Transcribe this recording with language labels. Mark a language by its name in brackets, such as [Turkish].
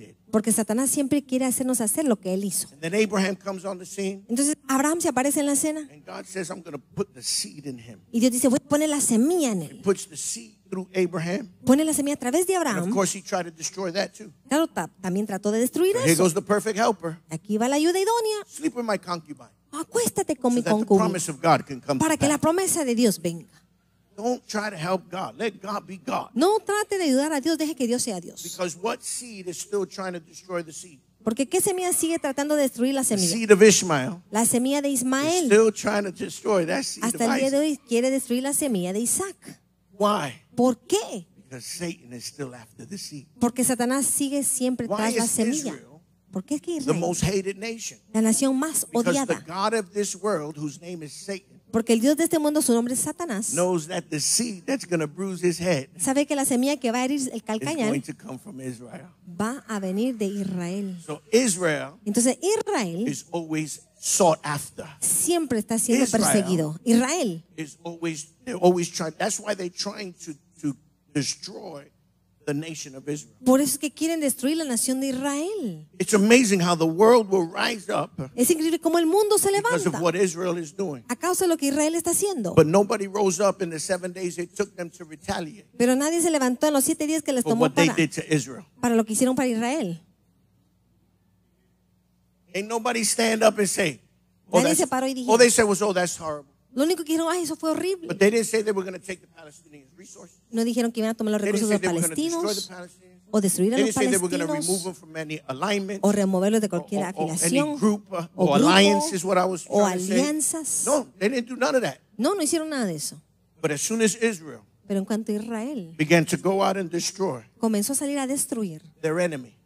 [Spanish] Porque Satanás siempre quiere hacernos hacer lo que él hizo. [English] And then Abraham comes on the scene, [Spanish] entonces Abraham se aparece en la escena. [English] And God says, I'm gonna put the seed in him. [Spanish] Y Dios dice, voy a poner la semilla en él. [English] He puts the seed through Abraham. [Spanish] Pone la semilla a través de Abraham. [English] And of course he tried to destroy that too. [Spanish] Claro, también trató de destruir [English] But [Spanish] eso. [English] Here goes the perfect helper. [Spanish] Aquí va la ayuda idónea. [English] Sleep with my concubine. [Spanish] Acuéstate con [English] so [Spanish] mi concubina. Para que [English] pass. [Spanish] La promesa de Dios venga. [English] Don't try to help God. Let God be God. [Spanish] No trate de ayudar a Dios. Deje que Dios sea Dios. [English] Because what seed is still trying to destroy the seed? [Spanish] Porque qué semilla sigue tratando de destruir la semilla. [English] The seed of Ishmael. [Spanish] La semilla de Ismael. [English] Still trying to destroy that seed. [Spanish] Hasta el día de hoy quiere destruir la semilla de Isaac. [English] Why? [Spanish] ¿Por qué? [English] Because Satan is still after the seed. [Spanish] Porque Satanás sigue siempre tras la semilla. ¿Por qué es que Israel? [English] The most hated nation. [Spanish] La nación más odiada. [English] Because the god of this world, whose name is Satan. [Spanish] Porque el Dios de este mundo, su nombre es Satanás. [English] Knows that the seed that's gonna bruise his head, [Spanish] sabe que la semilla que va a herir el calcañal [English] is going to come from Israel. [Spanish] Va a venir de Israel. [English] So Israel, [Spanish] entonces Israel [English] is always sought after. [Spanish] Siempre está siendo [English] Israel [Spanish] perseguido. Israel. [English] Is always, they're always trying, that's why they're trying to destroy the nation of Israel. [Spanish] Por eso es que quieren destruir la nación de Israel. [English] It's amazing how the world will rise up. [Spanish] Es increíble cómo el mundo se levanta. [English] Because of what Israel is doing. [Spanish] A causa de lo que Israel está haciendo. [English] But nobody rose up in the 7 days it took them to retaliate. [Spanish] Pero nadie se levantó en los 7 días que les tomó [English] what they did to Israel. [Spanish] Para lo que hicieron para Israel. [English] Ain't nobody stand up and say. [Spanish] Nadie se paró y dijo. [English] All they said was, "Oh, that's horrible." [Spanish] Lo único que dijeron, ay, eso fue horrible. [English] But they didn't say they were going to take the Palestinian resources. [Spanish] No dijeron que iban a tomar los recursos de los palestinos o destruir a los palestinos. [English] They didn't say they were going to remove them from any alignments [Spanish] o removerlos de cualquier afiliación [English] or alliances, what I was trying [Spanish] o alianzas. [English] No, they didn't do none of that. [Spanish] No, no hicieron nada de eso. [English] But as soon as Israel, [Spanish] pero en cuanto a Israel [English] began to go out and destroy, [Spanish] comenzó a salir a destruir [English] their enemy,